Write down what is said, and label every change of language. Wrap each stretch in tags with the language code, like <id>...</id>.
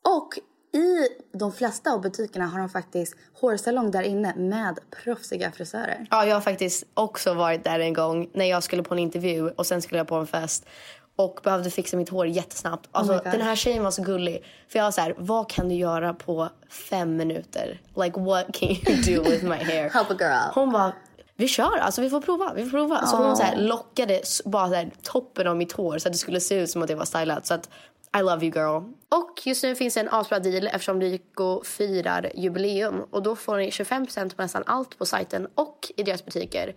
<sv>Och i de flesta av butikerna har de faktiskt hårsalong där inne med proffsiga frisörer. Ja, jag har faktiskt också varit där en gång när jag skulle på en intervju och sen skulle jag på en fest och behövde fixa mitt hår jättesnabbt. Alltså, den här tjejen var så gullig. För jag var så här, vad kan du göra på 5 minuter?</sv> <en>Like, what can you do with my hair? Help a girl.</en> <sv>Hon bara, vi kör, alltså vi får prova. Så hon så här lockade bara så här, toppen av mitt hår så att det skulle se ut som att det var stylat. Så att</sv> <en>I love you girl.</en> <sv>Och just nu finns en asbra deal eftersom Lyko firar jubileum. Och då får ni 25% på nästan allt på sajten och i deras butiker.</sv>